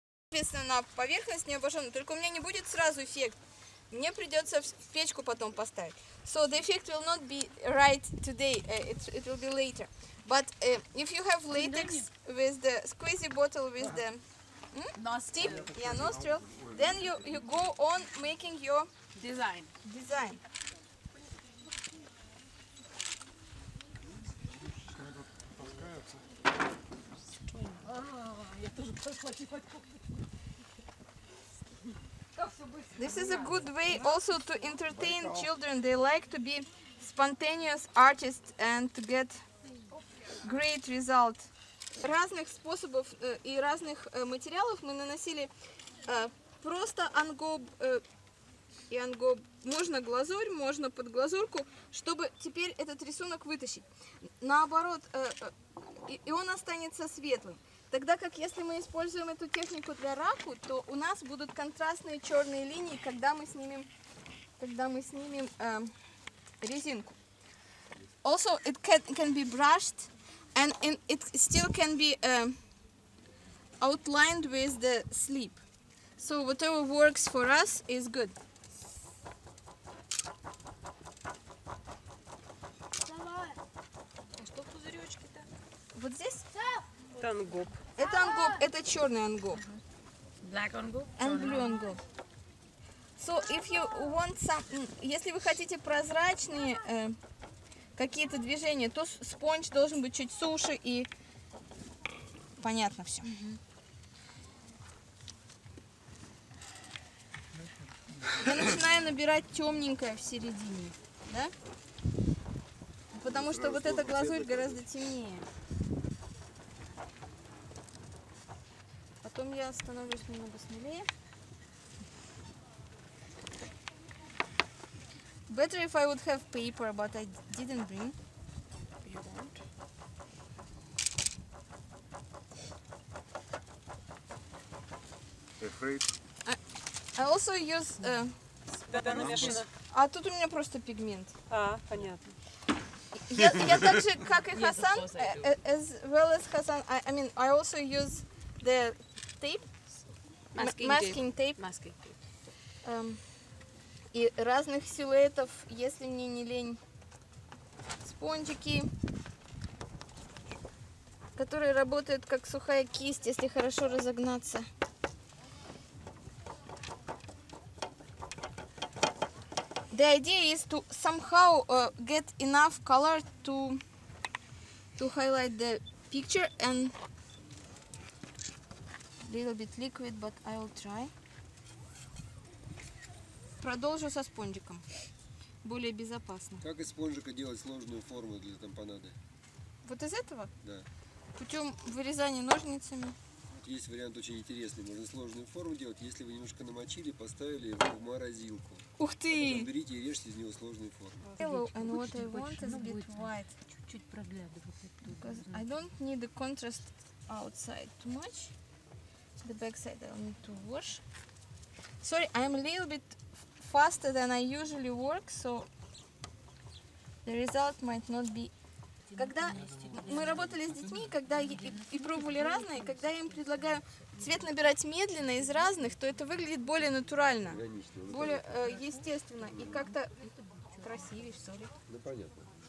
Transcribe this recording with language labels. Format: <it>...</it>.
<ru>соответственно, на поверхность не обожжённую. Только у меня не будет сразу эффект. Мне придется в печку потом поставить.</ru> <en>So the effect will not be right today. It will be later. But if you have latex with the squeezy bottle with the nostril, yeah, nostril, then you go on making your design. This is a good way also to entertain children. They like to be spontaneous artists and to get great result.</en> <ru>Разных способов и разных материалов мы наносили просто ангоб и ангоб. Можно глазурь, можно под глазурку, чтобы теперь этот рисунок вытащить. Наоборот, и он останется светлым. Тогда как если мы используем эту технику для раку, то у нас будут контрастные черные линии, когда мы снимем резинку.</ru> <en>Also, it can be brushed, and it still can be outlined with the sleep. So whatever works for us is good.</en> <ru>Давай. А что пузыречки-то? Вот здесь? Это ангоб. Это ангоб, это черный ангоб.</ru> <en>Black ангоб. And blue ангоб. So if you want some,</en> <ru>если вы хотите прозрачные какие-то движения, то спонж должен быть чуть суше и понятно все. Я начинаю набирать темненькое в середине, да? Потому что вот эта глазурь гораздо темнее. Потом я становлюсь немного смелее.</ru> <en>Better if I would have paper, but I didn't bring. You won't. Afraid. I also use...</en> <ru>Тогда намешано. А тут у меня просто пигмент. А, понятно. Я так же, как и Хасан,</ru> <en>as well as Хасан, I mean, I also use the tape, masking tape.</en> <ru>И разных силуэтов, если мне не лень, спонжики, которые работают как сухая кисть, если хорошо разогнаться.</ru> <en>The idea is to somehow get enough color to highlight the picture and little bit liquid, but I'll try.</en> <ru>Продолжу со спонжиком. Более безопасно. Как из спонжика делать сложную форму для тампонады? Вот из этого? Да. Путем вырезания ножницами. Есть вариант очень интересный. Можно сложную форму делать, если вы немножко намочили, поставили его в морозилку. Ух ты! Потом берите и режьте из него сложную форму.</ru> <en>Hello, and what I want is a bit white.</en> <ru>Чуть-чуть проглядывать.</ru> <en>Because I don't need the contrast outside too much. The back side I'll need to wash. Sorry, I'm a little bit faster than I usually work, so the result might not be.</en> <ru>Когда мы работали с детьми, когда и пробовали разные, когда я им предлагаю цвет набирать медленно из разных, то это выглядит более натурально, более естественно и как-то красивее, что ли. Ну понятно.</ru>